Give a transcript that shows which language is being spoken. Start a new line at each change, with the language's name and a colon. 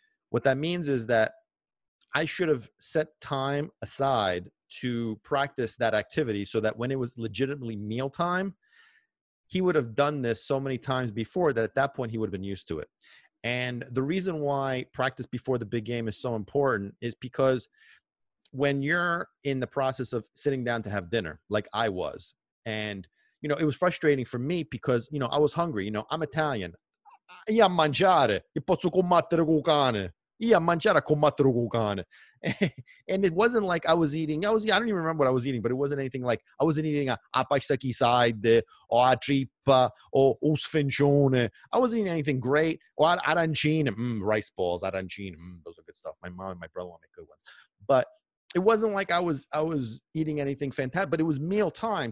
English: What that means is that I should have set time aside to practice that activity so that when it was legitimately mealtime, he would have done this so many times before that at that point he would have been used to it. And the reason why practice before the big game is so important is because when you're in the process of sitting down to have dinner, like I was, and you know, it was frustrating for me because, you know, I was hungry, you know, I'm Italian.
Italian: Io mangiare, io posso combattere col cane. Io mangiare combattere col cane.
English: And it wasn't like I was eating. I don't even remember what I was eating, but it wasn't anything like I wasn't eating a pastaki side or a tripa or usfencione. I wasn't eating anything great. Or arancine, rice balls, arancine. Those are good stuff. My mom and my brother make good ones. But it wasn't like I was eating anything fantastic, but it was meal time.